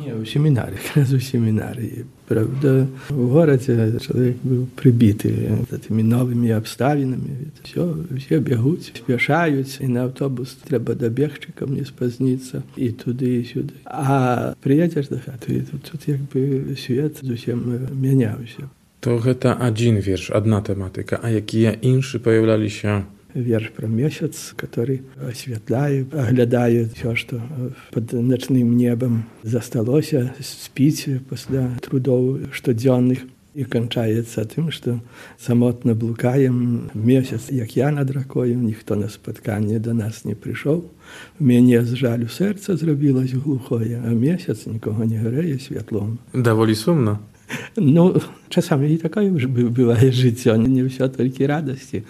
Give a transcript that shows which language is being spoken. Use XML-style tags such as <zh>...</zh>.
<uk>Ні, у семінарі, якраз у семінарі. Правда, в городі чоловік був прибитий за тими новими обставинами. Все, всі бігуть, спішаються, і на автобус треба добігти, ко мені спазниться, і туди, і сюди. А приїдеш до хати, і тут якби світ зовсім мінявся.</uk> <be>То гэта адзін верш, адна тэматыка, а якія іншы паяўляліся? Верш пра месяц, каторы асвятляе, аглядае ўсё, што пад начным небам засталося, спіць пасля трудоў штодзённых.</be> <uk>І кончається тим, що самотно блукаємо місяць, як я над ракою, ніхто на спотканні до нас не прийшов. Мені з жалю серце зробилось глухое, а місяць нікого не греє світлом. Доволі сумно. Ну, часами і таке буває життя, не все тільки радості.</uk>